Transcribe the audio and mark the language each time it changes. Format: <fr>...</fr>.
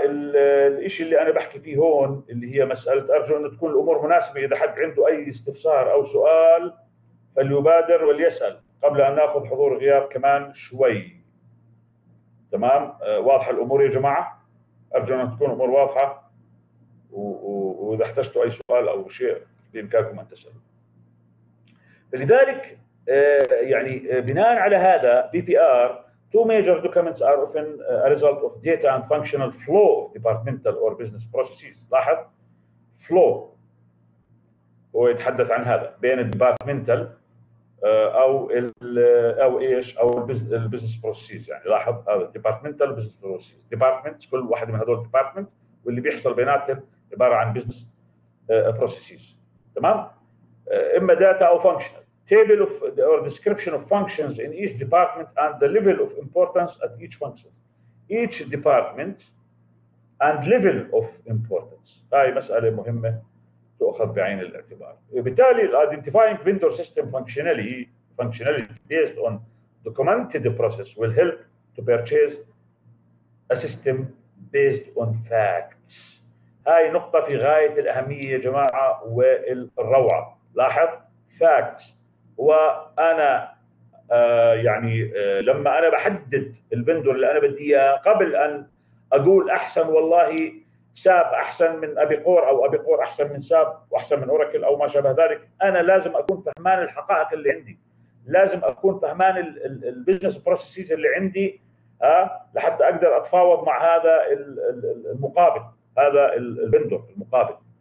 <ar>الإشي اللي أنا بحكي فيه هون اللي هي مسألة، أرجو أن تكون الأمور مناسبة، إذا حد عنده أي استفسار أو سؤال فليبادر وليسأل قبل أن نأخذ حضور غياب كمان شوي. تمام، واضحة الأمور يا جماعة؟ أرجو أن تكون الأمور واضحة، وإذا احتجتوا أي سؤال أو شيء بإمكانكم أن تسألوا. فلذلك يعني بناء على هذا</ar> <en>BPR two major documents are often a result of data and functional flow of departmental or business processes.</en> <ar>لاحظ flow هو يتحدث عن هذا بين departmental أو إيش أو</ar> <en>business processes.</en> <ar>يعني لاحظ هذا</ar> <en>departmental business processes.</en> <ar>Departments كل واحد من هذول department واللي بيحصل بيناتهم عبارة عن</ar> <en>business processes.</en> <ar>تمام، إما data أو functional.</ar> <en>Table of or description of functions in each department and the level of importance at each function. Each department and level of importance.</en> <ar>هاي مسألة مهمة تؤخذ بعين الاعتبار.</ar> <en>بالتالي identifying vendor system functionality based on documented process will help to purchase a system based on facts.</en> <ar>هاي نقطة في غاية الأهمية يا جماعة والروعة. لاحظ facts. وانا يعني لما انا بحدد البندور اللي انا بدي اياه قبل ان اقول احسن، والله ساب احسن من ابي قور او ابي قور احسن من ساب واحسن من اوراكل او ما شابه ذلك، انا لازم اكون فهمان الحقائق اللي عندي، لازم اكون فهمان</ar> <en>البزنس بروسيسز</en> <ar>اللي عندي لحتى اقدر اتفاوض مع هذا المقابل، هذا البندور المقابل.</ar>